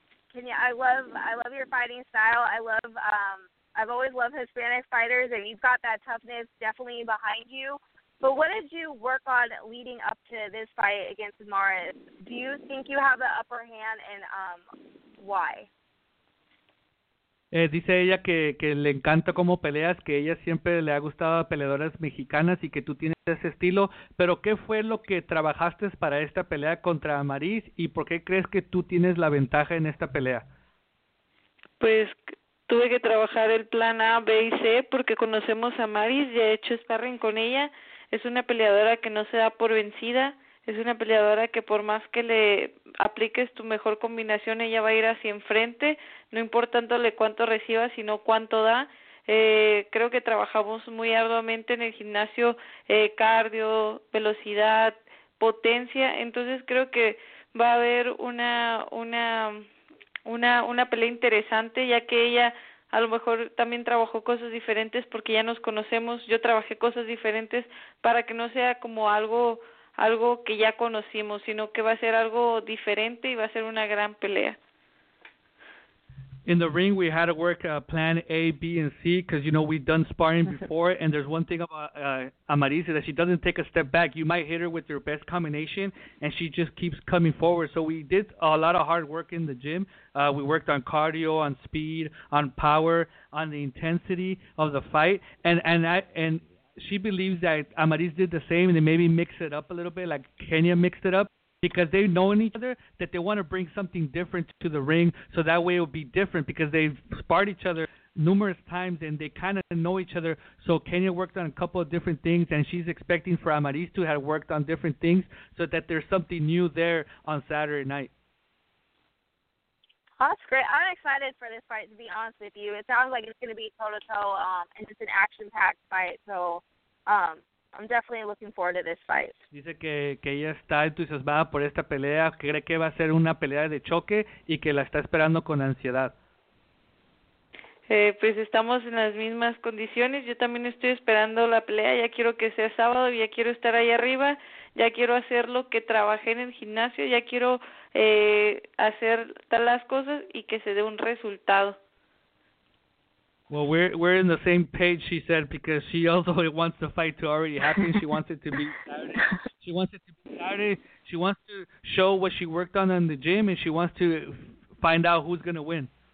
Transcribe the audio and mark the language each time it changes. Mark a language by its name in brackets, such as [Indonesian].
[English] Okay, yeah. So, first I have to say is, you know, Kenya, I love your fighting style. I've always loved Hispanic fighters, and you've got that toughness definitely behind you. But what did you work on leading up to this fight against Maris? Do you think you have the upper hand, and why? [Spanish] Dice ella que le encanta cómo peleas, que ella siempre le ha gustado peleadoras mexicanas y que tú tienes ese estilo. Pero ¿qué fue lo que trabajaste para esta pelea contra Maris, y por qué crees que tú tienes la ventaja en esta pelea? Pues tuve que trabajar el plan A, B y C porque conocemos a Maris, ya he hecho sparring con ella. Es una peleadora que no se da por vencida, es una peleadora que por más que le apliques tu mejor combinación, ella va a ir hacia enfrente, no importa tanto cuánto reciba, sino cuánto da. Creo que trabajamos muy arduamente en el gimnasio, cardio, velocidad, potencia. Entonces creo que va a haber una pelea interesante, ya que ella a lo mejor también trabajó cosas diferentes porque ya nos conocemos, yo trabajé cosas diferentes para que no sea como algo que ya conocimos, sino que va a ser algo diferente y va a ser una gran pelea. [English] In the ring, we had to work plan A, B, and C because, you know, we've done sparring before. And there's one thing about Amaris is that she doesn't take a step back. You might hit her with your best combination, and she just keeps coming forward. So we did a lot of hard work in the gym. We worked on cardio, on speed, on power, on the intensity of the fight. And she believes that Amaris did the same, and they maybe mixed it up a little bit, like Kenya mixed it up. Because they've known each other, that they want to bring something different to the ring, so that way it will be different, because they've sparred each other numerous times, and they kind of know each other. So Kenya worked on a couple of different things, and she's expecting for Amaris to have worked on different things, so that there's something new there on Saturday night. That's great. I'm excited for this fight, to be honest with you. It sounds like it's going to be toe-to-toe, and it's an action-packed fight, so I'm definitely looking forward to this fight. [Spanish] Dice que ella está entusiasmada por esta pelea, que cree que va a ser una pelea de choque y que la está esperando con ansiedad. Pues estamos en las mismas condiciones. Yo también estoy esperando la pelea. Ya quiero que sea sábado, ya quiero estar ahí arriba. Ya quiero hacer lo que trabajé en el gimnasio. Ya quiero hacer todas las cosas y que se dé un resultado. [English] Well, we're in the same page, she said, because she also wants the fight to already happen. She wants it to be Saturday. She wants it to be Saturday. She wants to show what she worked on in the gym, and she wants to find out who's going to win.